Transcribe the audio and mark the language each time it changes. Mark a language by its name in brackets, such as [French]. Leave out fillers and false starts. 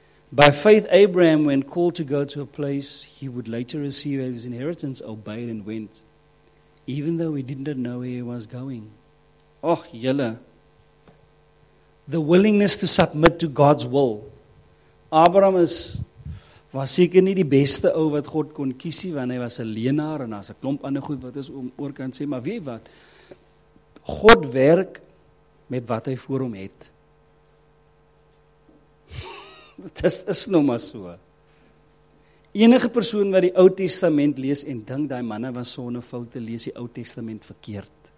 [English] By faith Abraham, when called to go to a place he would later receive as his inheritance, obeyed and went. even though he didn't know where he was going. [Afrikaans] Och, julle. [English] The willingness to submit to God's will. [Afrikaans] Abraham was seker nie die beste ou wat God kon kies nie, want hy was 'n leenaar en daar's 'n klomp ander goed wat ons oor kan sê, maar weet wat? God werk met wat hy voor hom het. Dit is nou maar so. Enige persoon wat die Ou Testament lees en dink daai manne was sonder foute, lees die Ou Testament verkeerd.